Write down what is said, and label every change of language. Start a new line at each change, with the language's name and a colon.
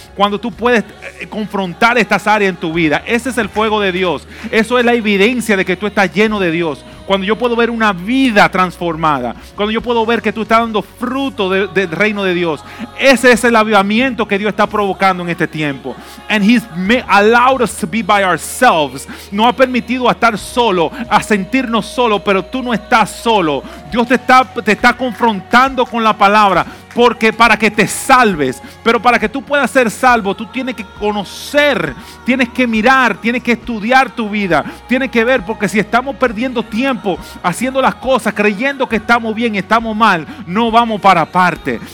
Spanish: Cuando tú puedes confrontar estas áreas en tu vida, ese es el fuego de Dios. Eso es la evidencia de que tú estás lleno de Dios. Cuando yo puedo ver una vida transformada, cuando yo puedo ver que tú estás dando fruto del reino de Dios, ese es el avivamiento que Dios está provocando en este tiempo.
English: And He's allowed us to be by ourselves.
Spanish: No ha permitido estar solo, a sentirnos solo, pero tú no estás solo. Dios te está confrontando con la palabra. porque para que te salves, pero para que tú puedas ser salvo, tú tienes que conocer, tienes que mirar, tienes que estudiar tu vida, tienes que ver, porque si estamos perdiendo tiempo haciendo las cosas, creyendo que estamos bien, estamos mal, no vamos para parte.